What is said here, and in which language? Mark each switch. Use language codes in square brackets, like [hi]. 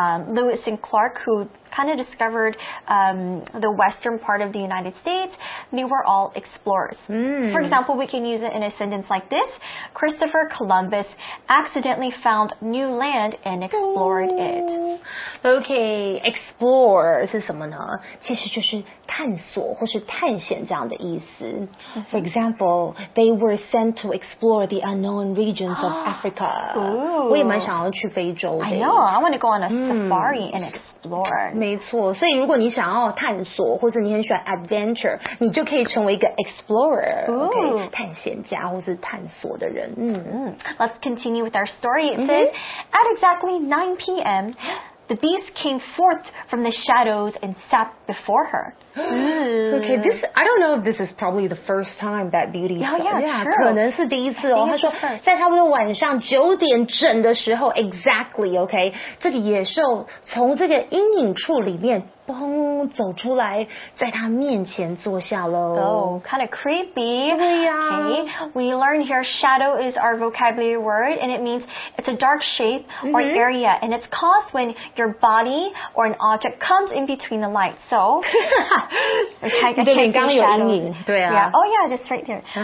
[en] Lewis and Clark, who kind of discovered the western part of the United States, they were all explorers. For example, we can use it in a sentence like this. Christopher Columbus accidentally found new land and explored it. [zh] Okay, explore 是什么呢？其实就是探索或是探险这样的意思。 [en] For example, they were sent to explore the unknown regions. Of Africa. Ooh, [zh] 我也蛮想要去非洲的。 [en] I know, I want to go on a safari and explore. [zh] 没错，所以如果你想要探索，或者你很喜欢 adventure, 你就可以成为一个 explorer, okay, 探险家或是探索的人。 [en] Let's continue with our story. It says, at exactly 9 p.m., the beast came forth from the shadows and sat before her. Okay, this, I don't know if this is probably the first time that Beauty saw. [zh] 可能是第一次哦。他说在差不多晚上九点整的时候 exactly, okay, 这个野兽从这个阴影处里面砰走出来在他面前坐下咯。 [en] Oh, kind of creepy. [zh] 对呀。 [en] Okay, we learned here shadow is our vocabulary word and it means it's a dark shape or area and it's caused when your body or an object comes in between the light. So, just right there.